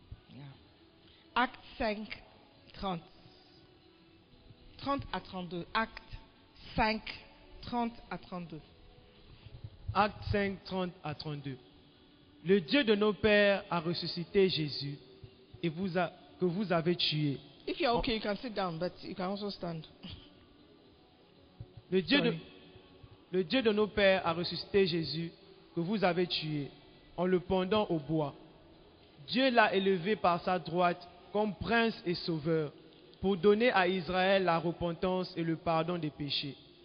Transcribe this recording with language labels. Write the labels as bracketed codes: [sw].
[fr] Yeah. Actes 5, 30 à 32. Actes 5, 30 à 32. Actes 5, 30 à 32. Le Dieu de nos pères a ressuscité Jésus et vous avez tué. [en] If you're okay, you can sit down, but you can also stand. [fr] Le Dieu de nos pères a ressuscité Jésus que vous avez tué en le pendant au bois. Dieu l'a élevé par sa droite comme prince et sauveur pour donner à Israël la repentance et le pardon des péchés.